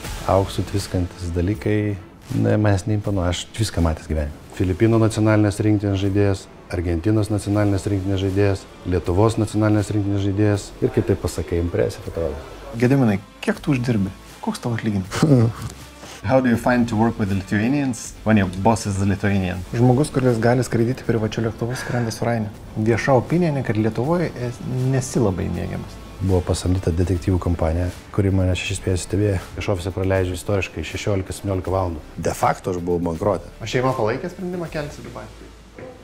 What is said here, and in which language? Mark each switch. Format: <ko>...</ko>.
<lt>Auksu tviskantis dalykai, ne, manęs neimpanu, aš viską matęs gyvenime. Filipinų nacionalinės rinktinės žaidėjas, Argentinos nacionalinės rinktinės žaidėjas, Lietuvos nacionalinės rinktinės žaidėjas ir kaip tai pasakai, impresija patrodo. Gediminai, kiek tu uždirbi? Koks tavo atlyginimas?</lt> <en>How do you find to work with the Lithuanians when your boss is the Lithuanian?</en> <lt>Žmogus, kuris gali skraidyti privačiu lėktuvu, skrenda su Rainiu. Vieša opinija, kad Lietuvoje nesi labai mėgiamas. Buvo pasamdyta detektyvų kompanija, kuri mane 6 mėnesių stebėjo. Iš ofiso praleidžiu istoriškai 16-17 valandų. De facto aš buvau bankrotė. Aš šeima palaikė sprendimą kelti į Dubajų.</lt>